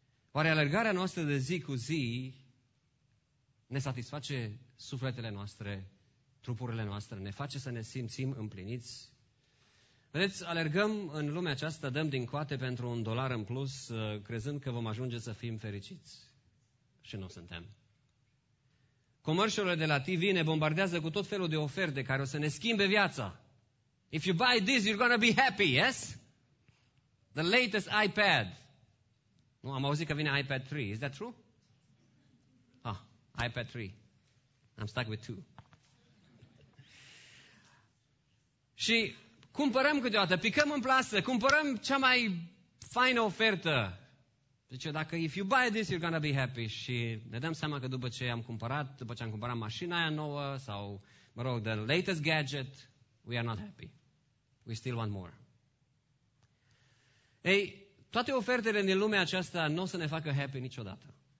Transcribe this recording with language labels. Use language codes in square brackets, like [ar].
[ro] Oare alergarea noastră de zi cu zi ne satisface sufletele noastre, trupurile noastre, ne face să ne simțim împliniți? Vedeți, alergăm în lumea aceasta, dăm din coate pentru un dolar în plus, crezând că vom ajunge să fim fericiți. Și nu suntem. Comercialurile de la TV ne bombardează cu tot felul de oferte care o să ne schimbe viața. [en] If you buy this, you're going to be happy, yes? The latest iPad. [ro] Nu, am auzit că vine iPad 3. [en] Is that true? Ah, iPad 3. I'm stuck with 2. [ro] Și cumpărăm câteodată, picăm în plasă, cumpărăm cea mai faină ofertă. Zice, dacă [en] if you buy this, you're going to be happy. [ro] Și ne dăm seama că după ce am cumpărat mașina aia nouă sau, mă rog, [en] the latest gadget, we are not happy. We still want more. [ro] Ei, toate ofertele din lumea aceasta nu o să ne facă happy niciodată.